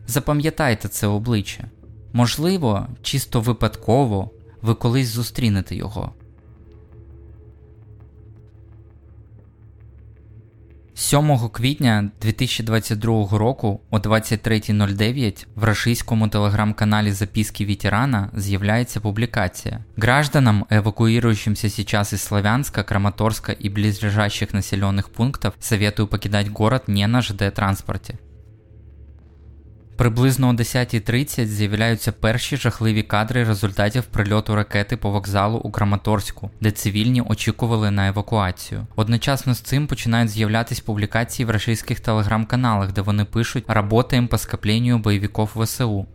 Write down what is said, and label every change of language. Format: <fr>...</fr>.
<uk>Запам'ятайте це обличчя. Можливо, чисто випадково, ви колись зустрінете його. 7 квітня 2022 року о 23.09 в російському телеграм-каналі «Записки ветерана» з'являється публікація.</uk> <ru>Гражданам, евакуирующимся сейчас из Славянска, Краматорска и близлежащих населенных пунктов, советую покидать город не на ЖД-транспорте.</ru> <uk>Приблизно о 10.30 з'являються перші жахливі кадри результатів прильоту ракети по вокзалу у Краматорську, де цивільні очікували на евакуацію. Одночасно з цим починають з'являтися публікації в російських телеграм-каналах, де вони пишуть «Работаємо по скапленню бойовиків ВСУ».</uk>